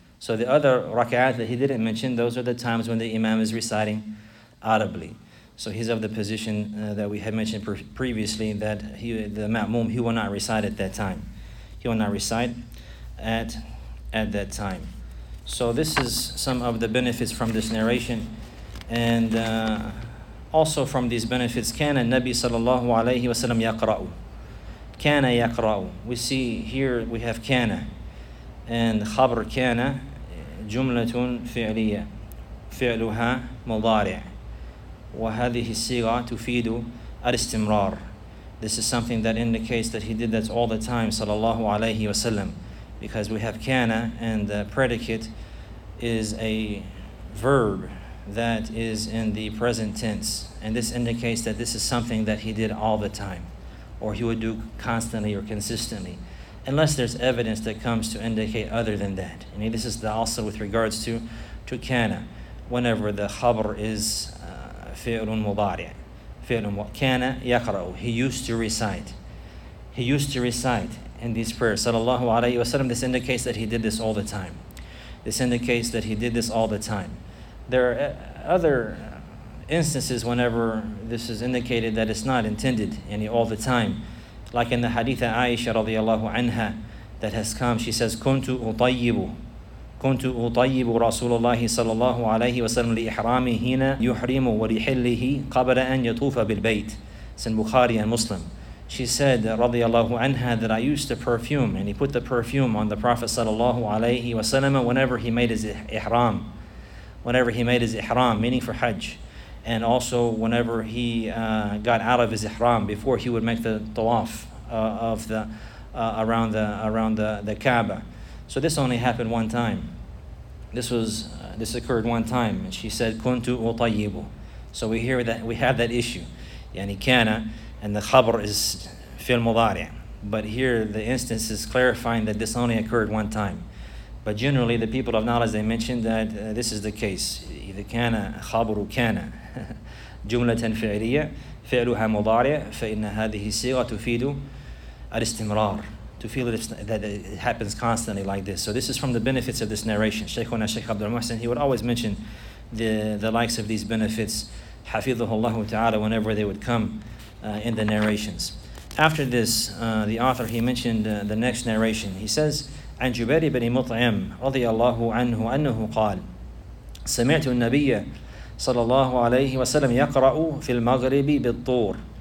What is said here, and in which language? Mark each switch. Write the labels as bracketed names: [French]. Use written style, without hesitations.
[English] So the other rak'ahs that he didn't mention, those are the times when the imam is reciting audibly. So he's of the position that we had mentioned previously, that the ma'mum will not recite at that time. He will not recite at that time. So this is some of the benefits from this narration. And also from these benefits, [Arabic] كَانَ النَّبِي صَلَى اللَّهُ عَلَيْهِ وَسَلَمْ يَقْرَأُ. كَانَ يَقْرَأُ. [English] We see here we have كَانَ. [Arabic] And خَبْر كَانَ جُمْلَةٌ فِعْلِيَّةٌ فِعْلُهَا مُضَارِعٌ وَهَذِهِ الصِّيغَةُ تُفِيدُ الْإِسْتِمْرَارِ. [English] This is something that indicates that he did that all the time, [Arabic] صلى الله عليه وسلم. [English] Because we have كَانَ, and the predicate is a verb that is in the present tense. And this indicates that this is something that he did all the time, or he would do constantly or consistently, unless there's evidence that comes to indicate other than that. And this is also with regards to كَانَ, whenever the خَبْر is فِعْلٌ مُضَارِعٌ. [Arabic] فِعْلٌ كَانَ يَقْرَأُ. [English] He used to recite. He used to recite in these prayers, sallallahu alayhi wasallam. This indicates that he did this all the time. This indicates that he did this all the time. There are other instances whenever this is indicated that it's not intended any all the time. Like in the hadith of Aisha radiallahu anha that has come, she says, [Arabic] كنت أطيب رسول الله صلى الله عليه وسلم لإحرامه هنا يحرمه ولحله قبل أن يطوف بالبيت. [English] It's in Bukhari and Muslim. She said, radiallahu anha, that I used to perfume, and he put the perfume on the Prophet sallallahu alayhi wa sallam whenever he made his ihram. Whenever he made his ihram, meaning for hajj. And also whenever he got out of his ihram, before he would make the tawaf around the Kaaba. So this only happened one time. This occurred one time. And she said, [Arabic] kuntu utayyibu. [English] So we hear that, we have that issue. Yani kana, and the khabr is fil mudari. But here the instance is clarifying that this only occurred one time. But generally the people of knowledge, they mentioned that this is the case. Either kana, khabru kana. [Arabic] جملة فعلية فعلها مضارع فإن هذه الصيغة تفيد الاستمرار. [English] To feel that it happens constantly like this. So this is from the benefits of this narration. Shaykhuna Shaykh Abdul Muhsin, he would always mention the likes of these benefits, [Arabic] حفظه الله تعالى, [English] whenever they would come in the narrations. After this, the author, he mentioned the next narration. He says, [Arabic] عن جبير بن مطعم رضي الله عنه أنه قال سمعت النبي صلى الله عليه وسلم يقرأ في المغرب بالطور.